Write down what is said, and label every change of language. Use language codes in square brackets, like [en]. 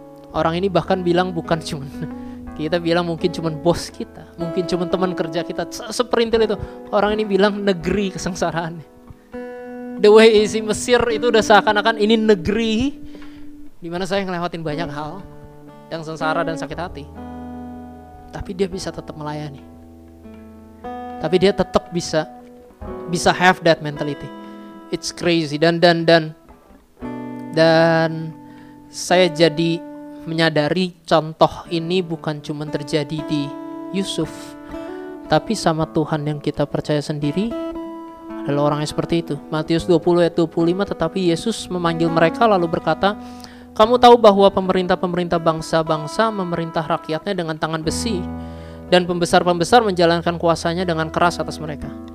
[id] Orang ini bahkan bilang bukan cuma, kita bilang mungkin cuma bos kita, mungkin cuma teman kerja kita, seperintil itu. Orang ini bilang negeri kesengsaraan. [en] The way [id] isi Mesir itu udah seakan-akan ini negeri di mana saya ngelewatin banyak hal yang sengsara dan sakit hati. Tapi dia bisa tetap melayani. Tapi dia tetap bisa [en] have that mentality. It's crazy. [id] Dan saya jadi menyadari contoh ini bukan cuma terjadi di Yusuf, tapi sama Tuhan yang kita percaya sendiri adalah orang yang seperti itu. Matius 20 ayat 25, tetapi Yesus memanggil mereka lalu berkata, kamu tahu bahwa pemerintah-pemerintah bangsa-bangsa memerintah rakyatnya dengan tangan besi, dan pembesar-pembesar menjalankan kuasanya dengan keras atas mereka.